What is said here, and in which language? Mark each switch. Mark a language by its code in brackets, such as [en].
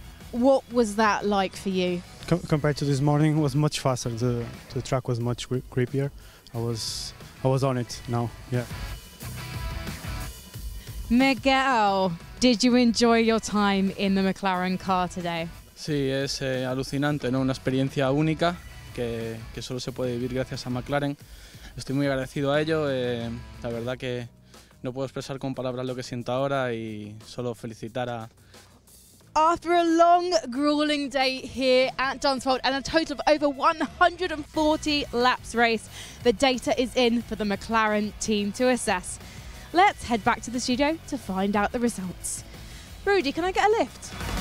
[en] What was that like for you? Compared to this morning, it was much faster. The track was much creepier. I was on it now, yeah. Miguel, did you enjoy your time in the McLaren car today? [es] Sí, es alucinante, ¿no? Una experiencia única que solo se puede vivir gracias a McLaren. Estoy muy agradecido a ello. La verdad que no puedo expresar con palabras lo que siento ahora y solo felicitar a... [en] After a long, grueling day here at Dunsfold and a total of over 140 laps race, the data is in for the McLaren team to assess. Let's head back to the studio to find out the results. Rudy, can I get a lift?